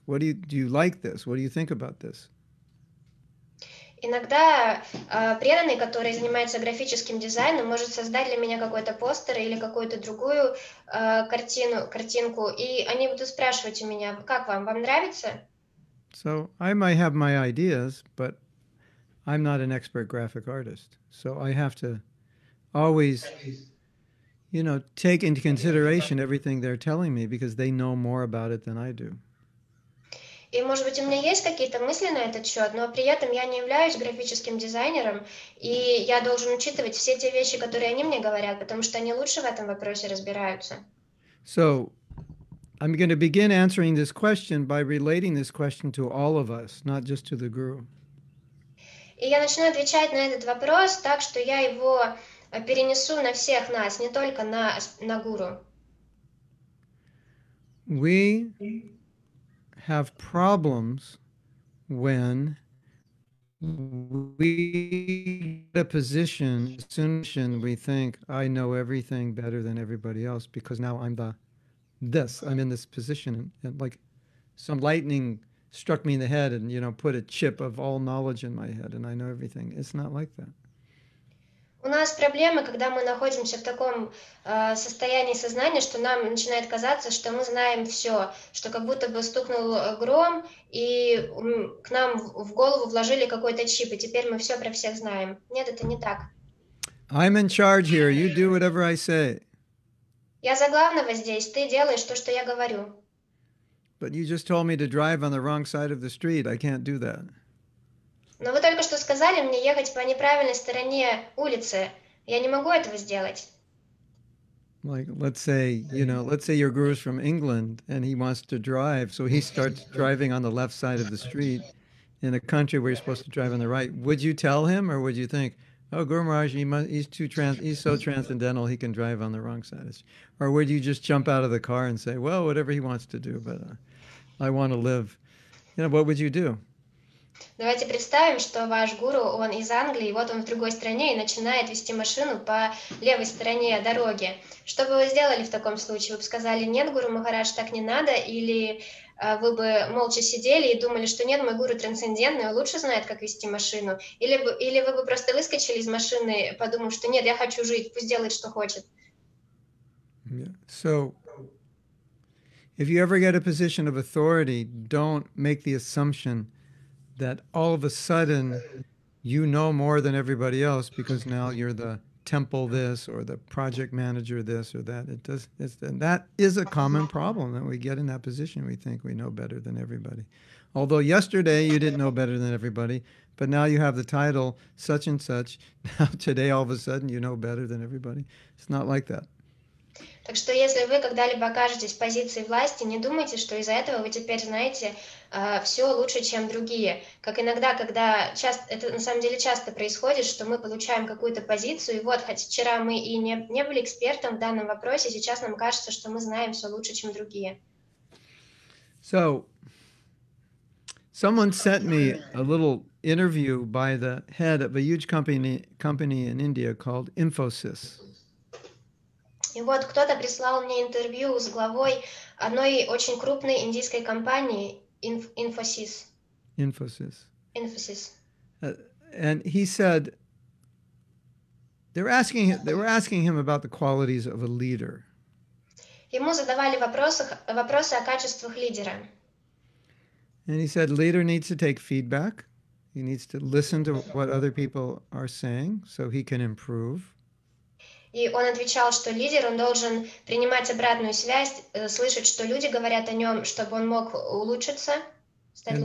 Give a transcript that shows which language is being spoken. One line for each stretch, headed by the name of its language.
English: What do you like this? What do you think about this?
Russian: Иногда преданный, который занимается графическим дизайном, может создать для меня какой-то постер или какую-то другую картинку, и они будут спрашивать у меня, как вам нравится?
English: So I might have my ideas, but I'm not an expert graphic artist. So I have to always, you know, take into consideration everything they're telling me because they know more about it than I do.
Russian: И, может быть, у меня есть какие-то мысли на этот счет, но при этом я не являюсь графическим дизайнером, и я должен учитывать все те вещи, которые они мне говорят, потому что они лучше в этом вопросе разбираются.
English: So, I'm going to begin answering this question by relating this question to all of us, not just to the guru.
Russian: И я начну отвечать на этот вопрос так, что я его перенесу на всех нас, не только на гуру.
English: We have problems when we get a position as soon as we think I know everything better than everybody else because now I'm I'm in this position and like some lightning struck me in the head and, you know, put a chip of all knowledge in my head and I know everything. It's not like that.
Russian: У нас проблемы, когда мы находимся в таком состоянии сознания, что нам начинает казаться, что мы знаем все, что как будто бы стукнул гром, и к нам в голову вложили какой-то чип, и теперь мы все про всех знаем. Нет, это не так.
English: I'm in charge here. You do whatever I say.
Russian: Я за главного здесь. Ты делаешь то, что я говорю.
English: But you just told me to drive on the wrong side of the street. I can't do that.
Russian: Но вы только что сказали мне ехать по неправильной стороне улицы. Я не могу этого сделать.
English: Like, let's say your guru's from England and he wants to drive, so he starts driving on the left side of the street in a country where you're supposed to drive on the right. Would you tell him or would you think, oh, Guru Maharaj, he's so transcendental, he can drive on the wrong side of the street? Or would you just jump out of the car and say, well, whatever he wants to do, but I want to live. You know, what would you do?
Russian: Давайте представим, что ваш гуру, он из Англии, вот он в другой стране и начинает вести машину по левой стороне дороги. Что бы вы сделали в таком случае? Вы бы сказали, нет, гуру Махарадж, так не надо? Или вы бы молча сидели и думали, что нет, мой гуру трансцендентный, он лучше знает, как вести машину? Или вы бы просто выскочили из машины, подумав, что нет, я хочу жить, пусть делает, что хочет?
English: Yeah. So, If you ever get a position of authority, don't make the assumption that all of a sudden you know more than everybody else because now you're the temple this or the project manager this or that. And that is a common problem that we get in that position. We think we know better than everybody. Although yesterday you didn't know better than everybody, but now you have the title such and such. Now today all of a sudden you know better than everybody. It's not like that.
Russian: Так что если вы когда-либо окажетесь в позиции власти, не думайте, что из-за этого вы теперь знаете все лучше, чем другие. Как иногда, когда часто, это на самом деле часто происходит, что мы получаем какую-то позицию, и вот, хоть вчера мы и не были экспертом в данном вопросе, сейчас нам кажется, что мы знаем все лучше, чем другие.
English: So, someone sent me a little interview by the head of a huge company in India called Infosys.
Russian: И вот кто-то прислал мне интервью с главой одной очень крупной индийской компании Infosys.
English: Infosys. Infosys. And he said they were asking him about the qualities of a leader.
Russian: Ему задавали вопросы о качествах лидера.
English: And he said leader needs to take feedback. He needs to listen to what other people are saying so he can improve.
Russian: И он отвечал, что лидер, он должен принимать обратную связь, слышать, что люди говорят о нем, чтобы он мог улучшиться, стать лучше.